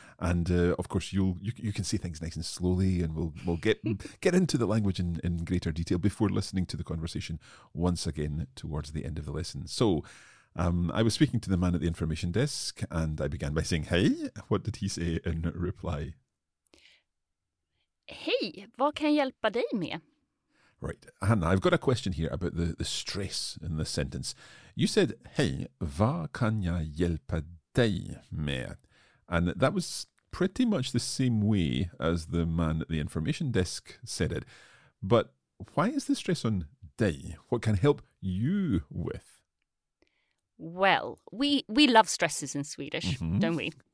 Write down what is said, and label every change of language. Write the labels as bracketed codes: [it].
[en] And, of course, you can say things nice and slowly and we'll get into the language in greater detail before listening to the conversation once again towards the end of the lesson. So... I was speaking to the man at the information desk and I began by saying, hey, what did he say in reply? [sv] Hey, vad kan jag hjälpa dig med? [en] Right, Hannah, I've got a question here about the stress in this sentence. You said, [sv] hey, vad kan jag hjälpa dig med? [en] And that was pretty much the same way as the man at the information desk said it. But why is the stress on dig? What can help you with? Well, we love stresses in Swedish, mm-hmm. don't we?